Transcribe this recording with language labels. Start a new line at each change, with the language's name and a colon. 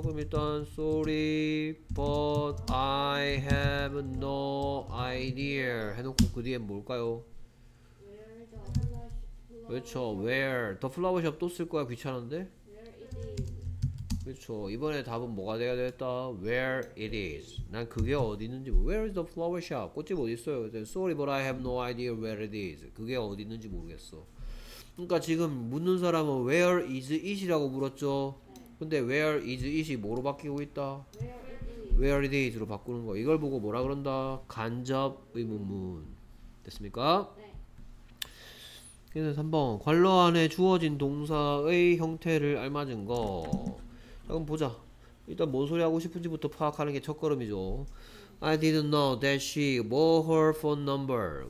Korean: 그럼 일단
English: Sorry but I have no idea
Korean: 해놓고 그 뒤엔 뭘까요? 그쵸?
English: Where? The flower shop
Korean: 또 쓸 거야 귀찮은데? 그렇죠. 이번에 답은 뭐가 돼야 됐다?
English: Where it is.
Korean: 난 그게 어디 있는지
English: Where is the flower shop?
Korean: 꽃집 어디 있어요?
English: Sorry but I have no idea where it is.
Korean: 그게 어디 있는지 모르겠어. 그러니까 지금 묻는 사람은
English: Where is it?
Korean: 이라고 물었죠. 근데
English: Where is it
Korean: 이 뭐로 바뀌고 있다?
English: Where it is. Where it is
Korean: 로 바꾸는 거. 이걸 보고 뭐라 그런다? 간접 의문문. 됐습니까? 네. 그래서 3번 관로 안에 주어진 동사의 형태를 알맞은 거. 자, 그럼 보자. 일단 뭔 소리 하고 싶은지부터 파악하는 게 첫 걸음이죠.
English: I didn't know that she wore her phone number.